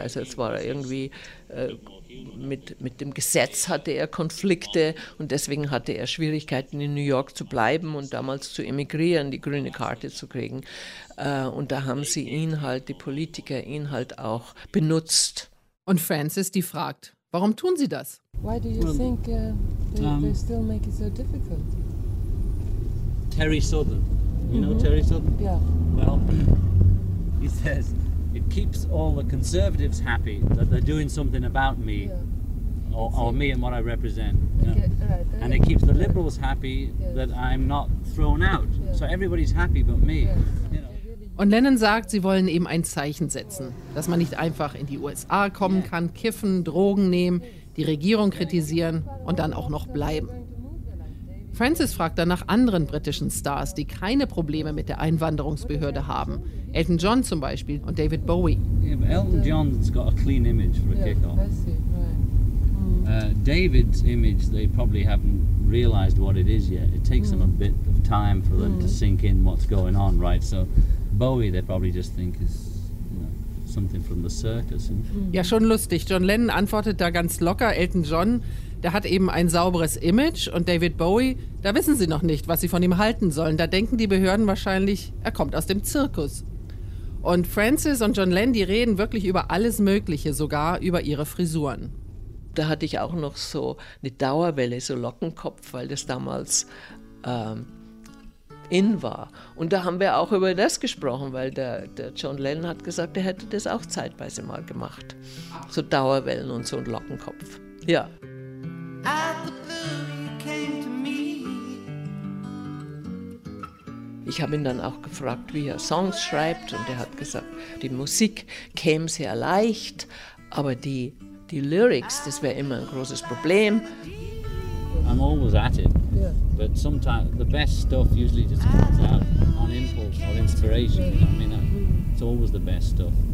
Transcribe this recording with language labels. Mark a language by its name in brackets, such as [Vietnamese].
[German] Also es war irgendwie, mit dem Gesetz hatte er Konflikte und deswegen hatte er Schwierigkeiten, in New York zu bleiben und damals zu emigrieren, die grüne Karte zu kriegen. Und da haben sie ihn halt, die Politiker, ihn halt auch benutzt. Und Frances, die fragt, warum tun sie das? [English] Why do you think they still make it so difficult? Terry Southern. You know Terry Southern? Yeah. Well, he says it keeps all the conservatives happy that they're doing something about me, yeah. or me and what I represent. You know? Okay. Right. And it keeps the liberals happy, yes. that I'm not thrown out. Yeah. So everybody's happy but me. Yes. [German] Und Lennon sagt, sie wollen eben ein Zeichen setzen, dass man nicht einfach in die USA kommen kann, kiffen, Drogen nehmen, die Regierung kritisieren und dann auch noch bleiben. Francis fragt dann nach anderen britischen Stars, die keine Probleme mit der Einwanderungsbehörde haben. Elton John zum Beispiel und David Bowie. [English] Yeah, Elton John's got a clean image for a kick-off. David's image, they probably haven't realized what it is yet. It takes them a bit of time for them to sink in what's going on, right? So Bowie, they probably just think is, you know, something from the circus. [German] Ja, schon lustig. John Lennon antwortet da ganz locker. Elton John, der hat eben ein sauberes Image. Und David Bowie, da wissen sie noch nicht, was sie von ihm halten sollen. Da denken die Behörden wahrscheinlich, er kommt aus dem Zirkus. Und Francis und John Lennon, die reden wirklich über alles Mögliche, sogar über ihre Frisuren. Da hatte ich auch noch so eine Dauerwelle, so Lockenkopf, weil das damals in war. Und da haben wir auch über das gesprochen, weil der John Lennon hat gesagt, er hätte das auch zeitweise mal gemacht. So Dauerwellen und so ein Lockenkopf. Ja. Ich habe ihn dann auch gefragt, wie er Songs schreibt. Und er hat gesagt, die Musik käme sehr leicht, aber die Lyrics, das wäre immer ein großes Problem. [English] I'm always at it. But sometimes the best stuff usually just comes out on impulse or inspiration. You know what I mean? It's always the best stuff.